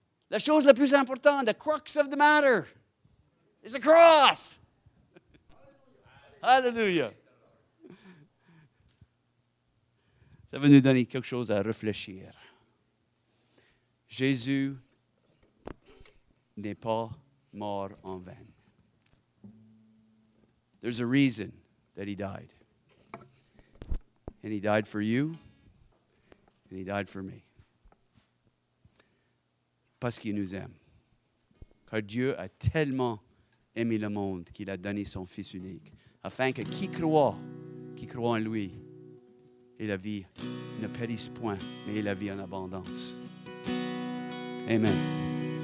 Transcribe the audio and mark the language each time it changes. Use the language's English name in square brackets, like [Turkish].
[French] La chose la plus importante, [English] the crux of the matter, is the cross. Alléluia. [French] Ça va nous donner quelque chose à réfléchir. Jésus n'est pas mort en vain. [English] There's a reason that he died. And he died for you, and he died for me. [French] Parce qu'il nous aime. Car Dieu a tellement aimé le monde qu'il a donné son Fils unique, afin que qui croit en lui, et la vie ne périsse point, mais la vie en abondance. Amen.